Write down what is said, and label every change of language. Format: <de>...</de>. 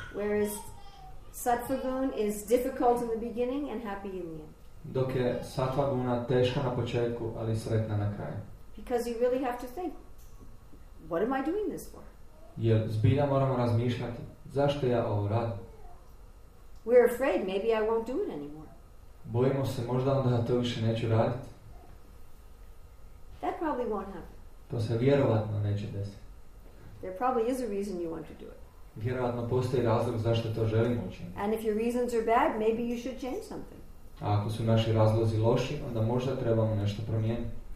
<en>Whereas sattvaguna is difficult in the beginning and happy in the end.</en> <hr>Dok je sattvaguna teška na početku, ali sretna na kraju.</hr> <en>Because you really have to think, what am I doing this for?</en> <hr>Jer zbilja moramo razmišljati, zašto ja ovo radim?</hr> <en>We're afraid, maybe I won't do it anymore.</en> <hr>Bojimo se, možda onda ja to više neću raditi.</hr> <en>That probably won't happen.</en> <hr>To se vjerovatno neće desiti.</hr> <en>There probably is a reason you want to do it.</en> <hr>Vjerovatno postoji razlog zašto to želimo učiniti.</hr> <en>And if your reasons are bad, maybe you should change something.</en> <hr>A ako su naši razlozi loši, onda možda trebamo nešto promijeniti.</hr>